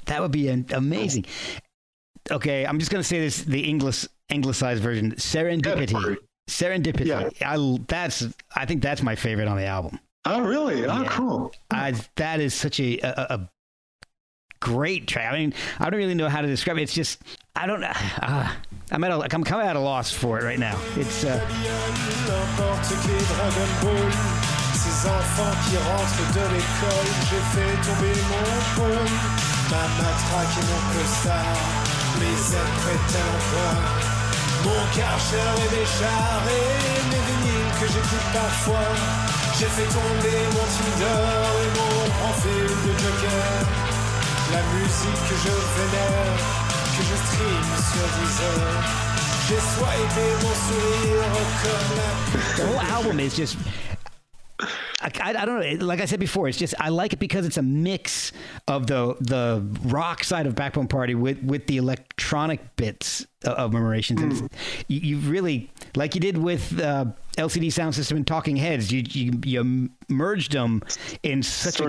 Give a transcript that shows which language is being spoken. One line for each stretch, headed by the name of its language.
English: That would be amazing. Cool. Okay, I'm just gonna say this: the anglicized version, Serendipity. Serendipity. Yeah. I think that's my favorite on the album. Oh, really? Oh, yeah. Cool. That is such a great track. I mean, I don't really know how to describe it. It's just, I don't know. I'm coming at a loss for it right now. It's,
French: ces enfants qui rentrent de l'école, j'ai fait tomber mon pôle. Ma matraque et mon costard, mes ailes prêtes à l'emploi. Mon Karcher et mes chars et mes vinyles que j'écoute parfois. J'ai fait tomber mon Tinder et mon grand film de Joker. La musique que je vénère, que je stream sur Deezer. J'ai swipé mon sourire comme la...
English: The whole album is just... I don't know. Like I said before, it's just I like it because it's a mix of the rock side of Backbone Party with the electronic bits of Murmurations. Mm. And you really, like you did with LCD Sound System and Talking Heads, you merged them in such